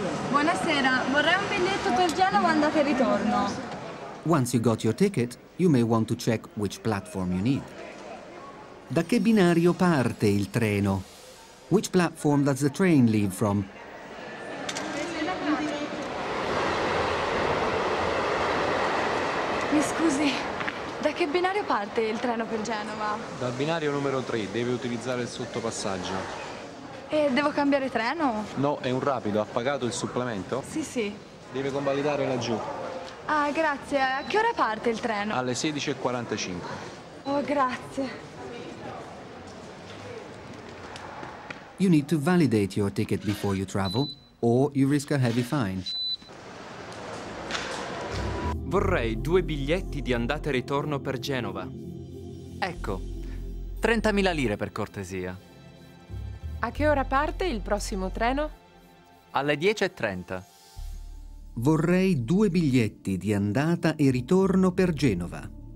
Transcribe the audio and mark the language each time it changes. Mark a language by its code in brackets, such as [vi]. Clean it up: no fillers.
[it] Buonasera, vorrei un biglietto per Genova andata e ritorno. [en] Once you got your ticket, you may want to check which platform you need. [it] Da che binario parte il treno? [en] Which platform does the train leave from? [it] Mi scusi, da che binario parte il treno per Genova? Dal binario numero 3, deve utilizzare il sottopassaggio. E devo cambiare treno? No, è un rapido, ha pagato il supplemento? Sì, sì. Deve convalidare laggiù. Ah, grazie. A che ora parte il treno? Alle 16:45. Oh, grazie. [en] You need to validate your ticket before you travel, or you risk a heavy fine. [it] Vorrei due biglietti di andata e ritorno per Genova. Ecco, 30.000 lire per cortesia. A che ora parte il prossimo treno? Alle 10:30. Vorrei due biglietti di andata e ritorno per Genova.